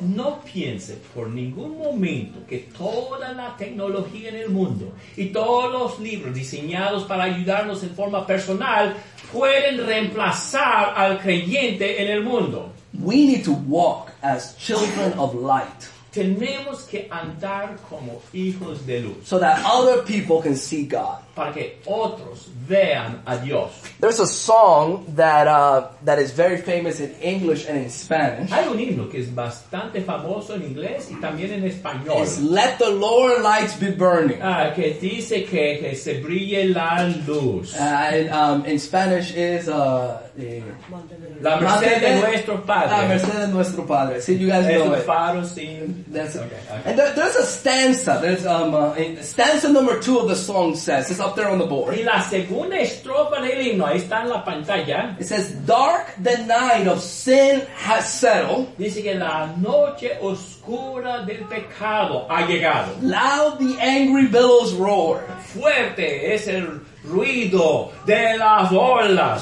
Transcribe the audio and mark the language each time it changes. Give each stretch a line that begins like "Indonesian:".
Spanish: No piense por ningún momento que toda la tecnología en el mundo y todos los libros diseñados para ayudarnos en forma personal pueden reemplazar al creyente en el mundo.
English: We need to walk as children of light.
Spanish: Tenemos que andar como hijos de luz.
English: So that other people can see God.
Spanish: Para que otros vean a Dios.
English: There's a song that is very famous in English and in Spanish.
Spanish: Hay un himno que es bastante famoso en inglés y también en español.
English: It's Let the Lower Lights Be Burning.
Spanish: Que dice que se brille la luz.
English: In Spanish is
Spanish: La Merced de Nuestro Padre. La Merced de Nuestro Padre.
English: See, you guys know
Spanish: it. Faro sin...
English: That's okay. And there's a stanza. There's stanza number two of the song says. It's up there on the board.
Spanish: Y la segunda estrofa del himno está en la pantalla.
English: It says, "Dark the night of sin has settled."
Spanish: Dice que la noche oscura del pecado ha llegado.
English: Loud the angry billows roar.
Spanish: Fuerte es el ruido de las olas.